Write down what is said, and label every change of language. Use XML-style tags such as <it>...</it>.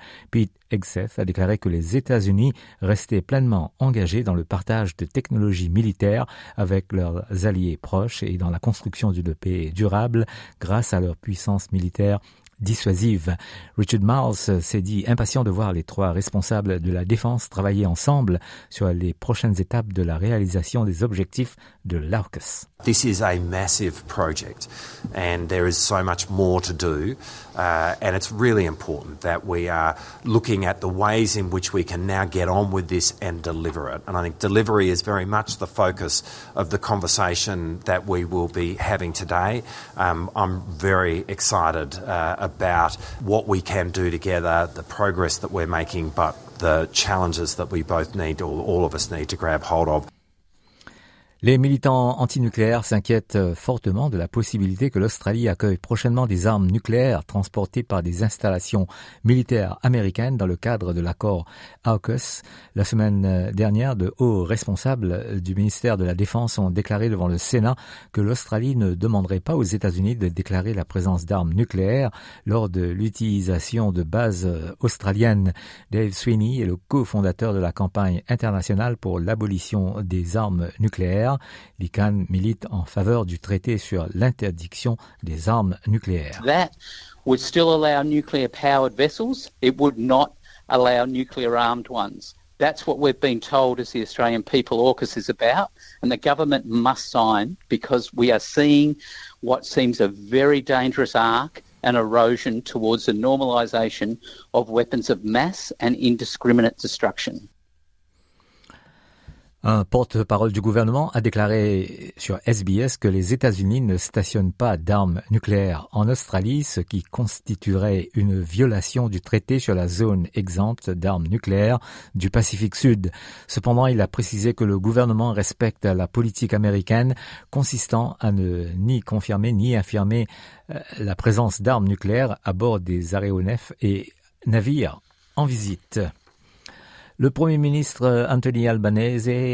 <fr>Pete Hegseth a déclaré que les États-Unis restaient pleinement engagés dans le partage de technologies militaires avec leurs alliés proches et dans la construction d'une paix durable grâce à leur puissance militaire dissuasive. Richard Marles s'est dit impatient de voir les trois responsables de la défense travailler ensemble sur les prochaines étapes de la réalisation des objectifs de l'AUKUS.</fr> <en>This is a massive project and there is so much more to do and it's really important that we are looking at the ways in which we can now get on with this and deliver it. And I think delivery is very much the focus of the conversation that we will be having today. I'm very excited about what we can do together, the progress that we're making, but the challenges that we both need, all of us need to grab hold of.</en> <fr>Les militants antinucléaires s'inquiètent fortement de la possibilité que l'Australie accueille prochainement des armes nucléaires transportées par des installations militaires américaines dans le cadre de l'accord AUKUS. La semaine dernière, de hauts responsables du ministère de la Défense ont déclaré devant le Sénat que l'Australie ne demanderait pas aux États-Unis de déclarer la présence d'armes nucléaires lors de l'utilisation de bases australiennes. Dave Sweeney est le cofondateur de la campagne internationale pour l'abolition des armes nucléaires. L'ICAN milite en faveur du traité sur l'interdiction des armes nucléaires.</fr> <en>That would still allow nuclear-powered vessels. It would not allow nuclear-armed ones. That's what we've been told as the Australian People AUKUS is about, and the government must sign because we are seeing what seems a very dangerous arc and erosion towards the normalisation of weapons of mass and indiscriminate destruction.</en> <fr>Un porte-parole du gouvernement a déclaré sur SBS que les États-Unis ne stationnent pas d'armes nucléaires en Australie, ce qui constituerait une violation du traité sur la zone exempte d'armes nucléaires du Pacifique Sud. Cependant, il a précisé que le gouvernement respecte la politique américaine consistant à ne ni confirmer ni infirmer la présence d'armes nucléaires à bord des aéronefs et navires en visite. Le Premier ministre Anthony Albanese</fr>